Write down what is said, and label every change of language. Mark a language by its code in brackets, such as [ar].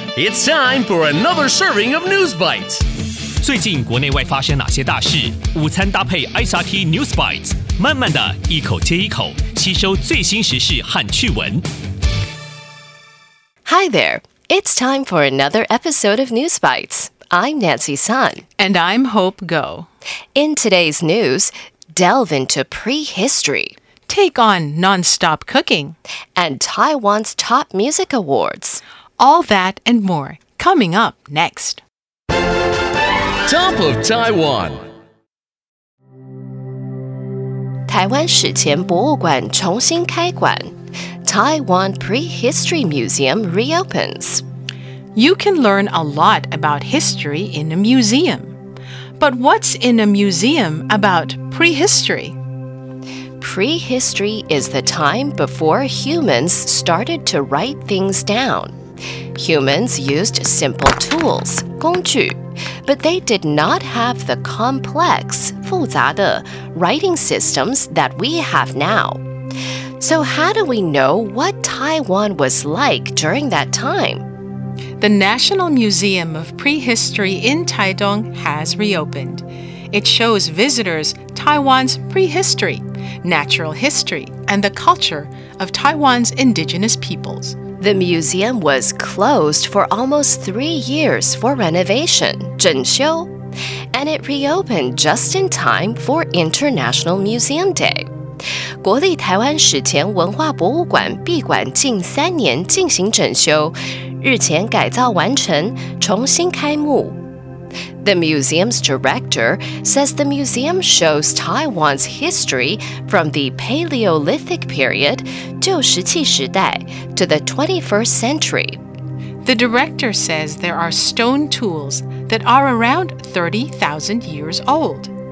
[en] It's time for another serving of News Bites. [zh] 最近国内外发生哪些大事？午餐搭配 SRT News Bites， 慢慢的一口接一口，吸收最新时事和趣闻。 [en] Hi there, it's time for another episode of News Bites. I'm Nancy Sun. And I'm Hope Ngo. In today's news, delve into prehistory. Take on Nonstop Cooking. And Taiwan's Top Music Awards. All that and more, coming up next. Top of Taiwan. [zh] 台灣史前博物館重新開館。 [en] Taiwan Prehistory Museum Reopens. You can learn a lot about history in a museum. But what's in a museum about prehistory? Prehistory is the time before humans started to write things down. Humans used simple tools, 工具, but they did not have the complex, 复杂的, writing systems that we have now. So how do we know what Taiwan was like during that time? The National Museum of Prehistory in Taitung has reopened. It shows visitors Taiwan's prehistory. Natural history, and the culture of Taiwan's indigenous peoples. The museum was closed for almost 3 years for renovation, 整修, and it reopened just in time for International Museum Day. [zh] 国立台湾史前文化博物馆闭馆近三年进行整修，日前改造完成，重新开幕。 [en] The museum's director says the museum shows Taiwan's history from the Paleolithic period, 舊石器時代, to the 21st century. The director says there are stone tools that are around 30,000 years old.